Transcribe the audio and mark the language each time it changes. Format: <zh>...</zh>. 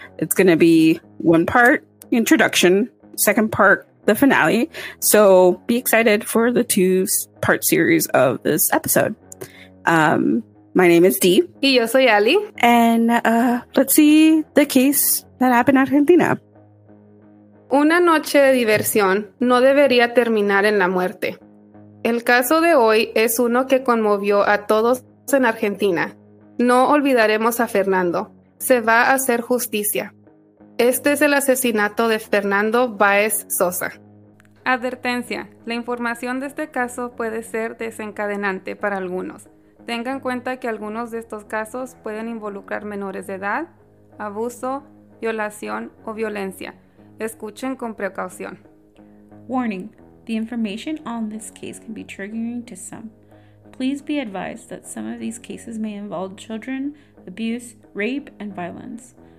<en>It's going to be one part introduction, second part the finale. So be excited for the two-part series of this episode. My name is Dee.</en> <es>Y yo soy Ali.</es> <en>And let's see the case that happened in Argentina.</en> <es>Una noche de diversión no debería terminar en la muerte. El caso de hoy es uno que conmovió a todos en Argentina. No olvidaremos a Fernando. Se va a hacer justicia. Este es el asesinato de Fernando Báez Sosa. Advertencia. La información de este caso puede ser desencadenante para algunos. Tengan en cuenta que algunos de estos casos pueden involucrar menores de edad, abuso, violación o violencia. Escuchen con precaución.</es> <en>Warning, the information on this case can be triggering to some. Please be advised that some of these cases may involve children, abuse, rape, and violence.</en>